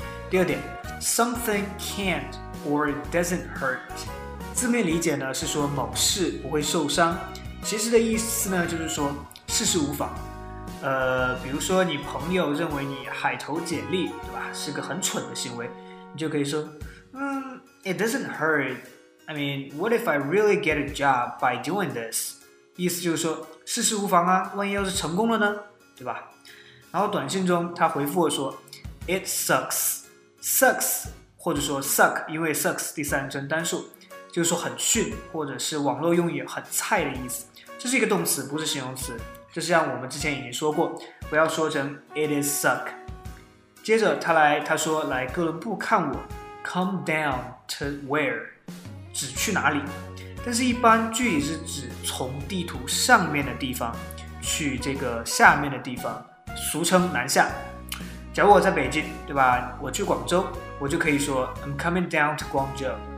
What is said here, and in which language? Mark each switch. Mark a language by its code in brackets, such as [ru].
[zh] 第二点， [en] something can't or doesn't hurt, [zh] 字面理解呢，是说某事不会受伤，其实的意思呢，就是说事事无妨。比如说你朋友认为你海投简历，对吧，是个很蠢的行为，你就可以说， [en] it doesn't hurt. I mean, what if I really get a job by doing this? [zh] 意思就是说，事事无妨啊，万一要是成功了呢，对吧？然后短信中他回复我说 ， [en] it sucks, [zh] sucks, 或者说 suck, 因为 sucks 第三人称单数，就是说很逊，或者是网络用语很菜的意思。这是一个动词，不是形容词。就像我们之前已经说过，不要说成 [en] it is suck。 [zh] 接着他说来哥伦布看我 ， [en] come down to where， [zh] 指去哪里？但是一般具体是指从地图上面的地方去这个下面的地方，俗称南下。假如我在北京，对吧？我去广州，我就可以说 [en] I'm coming down to Guangzhou。